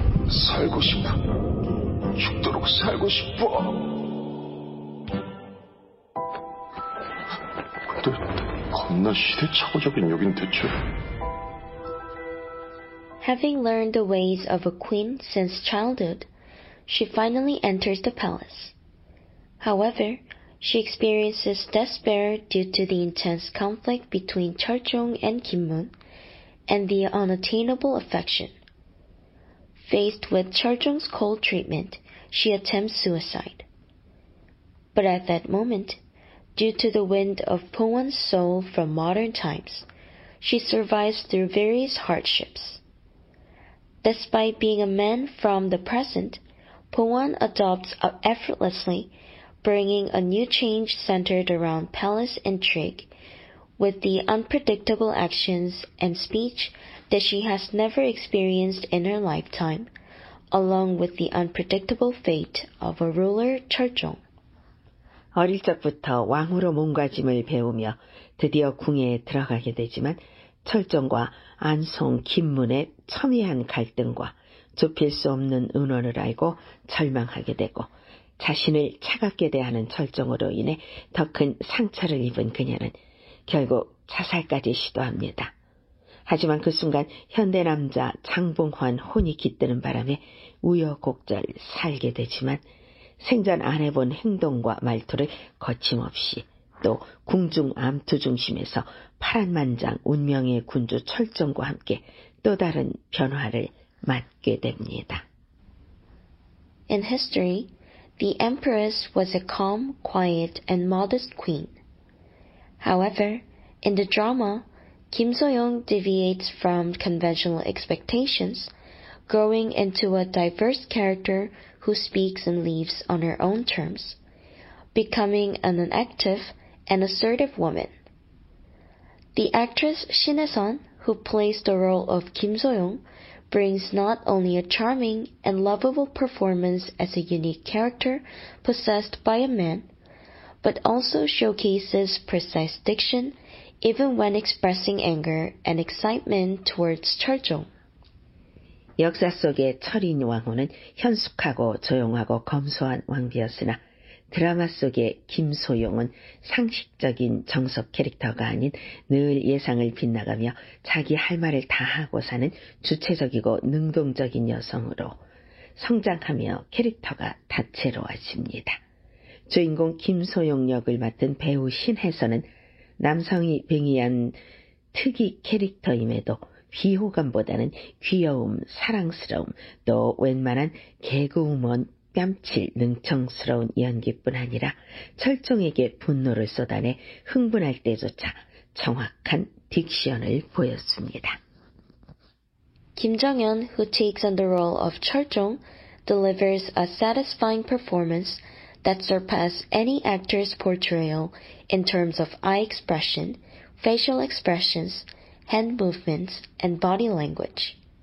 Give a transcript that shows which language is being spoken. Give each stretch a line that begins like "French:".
Korean: 살고 싶어. 죽도록 살고 싶어. 근데 겁나 시대착오적인 여긴 대체.
English: Having learned the ways of a queen since childhood, she finally enters the palace. However, she experiences despair due to the intense conflict between Chulchung and Kimmun and the unattainable affection. Faced with Chulchung's cold treatment, she attempts suicide. But at that moment, due to the wind of Pohwan's soul from modern times, she survives through various hardships. Despite being a man from the present, Pohwan adopts effortlessly, bringing a new change centered around palace intrigue, with the unpredictable actions and speech that she has never experienced in her lifetime, along with the unpredictable fate of a ruler, Chulchung.
Korean: 어릴 적부터 왕후로 몸가짐을 배우며 드디어 궁에 들어가게 되지만 철종과 안송 김문의 첨예한 갈등과 좁힐 수 없는 은원을 알고 절망하게 되고 자신을 차갑게 대하는 철종으로 인해 더 큰 상처를 입은 그녀는 결국 자살까지 시도합니다. 하지만 그 순간 현대 남자 장봉환 혼이 깃드는 바람에 우여곡절 살게 되지만 생전 안 해본 행동과 말투를 거침없이 또 궁중 암투 중심에서 파란만장 운명의 군주 철종과 함께 또 다른 변화를 맞게 됩니다.
English: In history, the Empress was a calm, quiet, and modest queen. However, in the drama, Kim So-young deviates from conventional expectations, growing into a diverse character who speaks and lives on her own terms, becoming an active and assertive woman. The actress Shin Hye-sun, who plays the role of Kim So-young, brings not only a charming and lovable performance as a unique character possessed by a man, but also showcases precise diction even when expressing anger and excitement towards Chulchung.
Korean: 역사 속의 철인 왕후는 현숙하고 조용하고 검소한 왕비였으나 드라마 속의 김소용은 상식적인 정석 캐릭터가 아닌 늘 예상을 빗나가며 자기 할 말을 다 하고 사는 주체적이고 능동적인 여성으로 성장하며 캐릭터가 다채로워집니다. 주인공 김소용 역을 맡은 배우 신혜선은 남성이 빙의한 특이 캐릭터임에도 비호감보다는 귀여움, 사랑스러움, 또 웬만한 개그우먼, 뺨칠, 능청스러운 연기뿐 아니라 철종에게 분노를 쏟아내 흥분할 때조차 정확한 딕션을 보였습니다.
English: Kim Jong-hyun, who takes on the role of Chulchung, delivers a satisfying performance that surpassed any actor's portrayal in terms of eye expression, facial expressions, hand movements, and body language.